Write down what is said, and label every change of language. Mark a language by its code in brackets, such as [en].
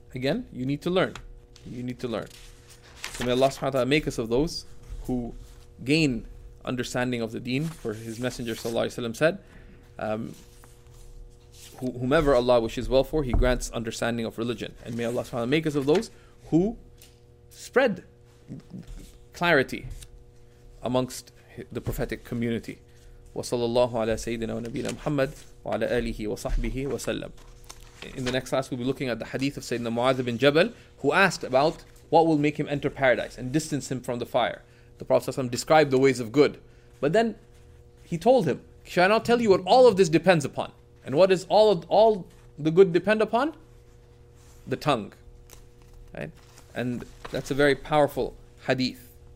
[en] Again, you need to learn. So may Allah subhanahu wa ta'ala make us of those who gain understanding of the deen, for His Messenger sallallahu alaihi wasallam said, whomever Allah wishes well for, He grants understanding of religion. And may Allah subhanahu wa ta'ala make us of those who spread clarity amongst the prophetic community. [ar] وصلى الله على سيدنا ونبينا محمد وعلى آله وصحبه وسلم. [en] In the next class, we'll be looking at the hadith of Sayyidina Mu'adh ibn Jabal, who asked about what will make him enter paradise and distance him from the fire. The Prophet ﷺ described the ways of good. But then he told him, shall I not tell you what all of this depends upon? And what does all the good depend upon? The tongue. Right? And that's a very powerful hadith.